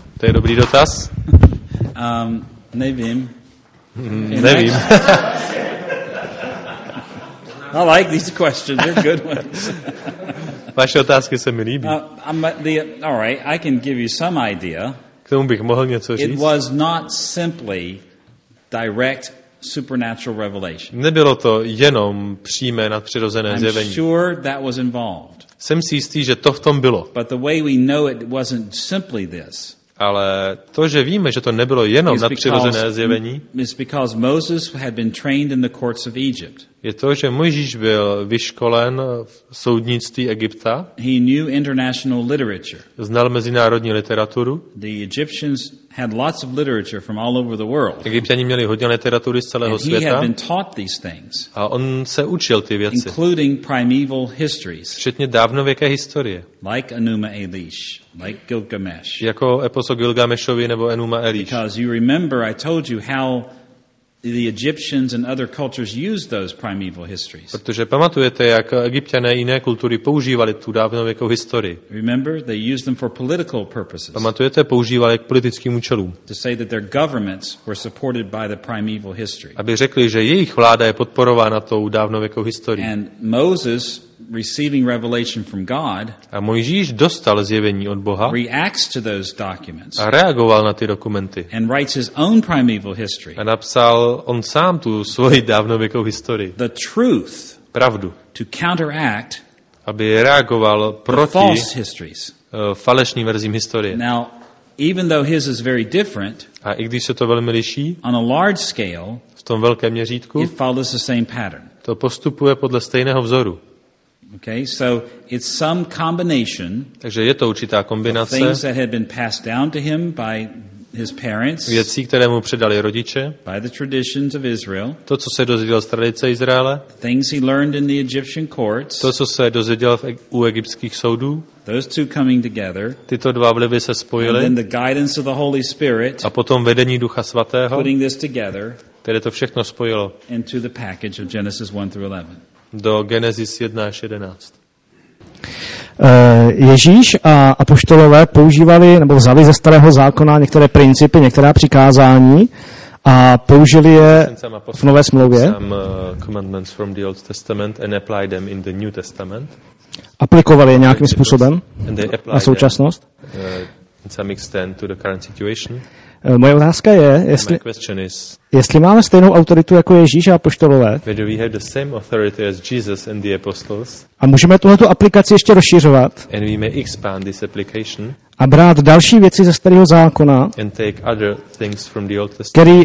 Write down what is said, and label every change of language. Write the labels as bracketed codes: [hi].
[cs] To je dobrý dotaz. Nevím. Nevím. [en] I like these questions. They're good ones. [cs] Vaše otázky se mi líbí. [en] All right, I can give you some idea. [cs] K tomu bych mohl něco říct. [en] It was not simply direct supernatural revelation. [cs] Nebylo to jenom přímé nadpřirozené zjevení. [en] I'm sure that was involved. [cs] Jsem si jistý, že to v tom bylo. [en] But the way we know it wasn't simply this. [cs] Ale to, že víme, že to nebylo jenom nadpřirozené zjevení, [en] is because Moses had been trained in the courts of Egypt. [cs] Je to, že Mojžíš byl vyškolen v soudnictví Egypta. [en] He knew international literature. [cs] Znal mezinárodní literaturu. [en] The Egyptians had lots of literature from all over the world. [cs] Egypťani měli hodně literatury z celého [en] and [cs] světa. [en] He had been taught these things. [cs] A on se učil ty věci. [en] Including primeval histories. [cs] Včetně dávnověké historie. [en] Like Enuma Elish, like Gilgamesh. [cs] Jako eposo Gilgamešovi nebo Enuma Elish. [en] Because you remember I told you how the Egyptians and other cultures used those primeval histories. [cs] Protože pamatujete, jak Egypťané jiné kultury používali tu dávnověkou historii. [en] Remember, they used them for political purposes. [cs] Pamatujete, používali k politickým účelům. [en] To say that their governments were supported by the primeval history. [cs] Aby řekli, že jejich vláda je podporována tou dávnověkou historií. [en] And Moses, receiving revelation from God, [cs] a Mojžíš dostal zjevení od Boha, [en] reacts to those documents, [cs] a reagoval na ty dokumenty, [en] and writes his own primeval history, [cs] a napsal on sám tu svoji dávnověkou historii, [en] the truth, [cs] pravdu, [en] to counteract, [cs] aby reagoval proti [en] false histories, [cs] falešným verzím historie. [en] Now, even though his is very different, [cs] a i když se to velmi liší, [en] on a large scale, [cs] v tom velkém měřítku, [en] it follows the same pattern, [cs] to postupuje podle stejného vzoru. [en] Okay, so it's some combination. [cs] Takže je to určitá kombinace. [en] Things that had been passed down to him by his parents. [cs] Věcí, které mu předali rodiče. [en] By the traditions of Israel. [cs] To, co se dozvěděl z tradice Izraele. [en] Things he learned in the Egyptian courts. [cs] To, co se dozvěděl u egyptských soudů. [en] Those two coming together. [cs] Tyto dva vlivy se spojily. [en] And then the guidance of the Holy Spirit. [cs] A potom vedení Ducha svatého. [en] Putting this together. [cs] Které to všechno spojilo. [en] Into the package of Genesis 1 through 11. [cs] Do Genesis 1 až 11. Ježíš a apoštolové používali nebo vzali ze Starého zákona některé principy, některá přikázání a použili je v Nové smlouvě. [en] Some commandments from the Old Testament and apply them in the New Testament. [cs] Aplikovali je nějakým způsobem na současnost. [en] In some extent to the current situation. [cs] Moje otázka je, jestli máme stejnou autoritu jako Ježíš a apoštolové. [en] Do we have the same authority as Jesus and the apostles? [cs] A můžeme tuhle tu aplikaci ještě rozšiřovat? [en] And we may expand this application? [cs] A brát další věci ze Starého zákona, [en] and take other things from the Old Testament,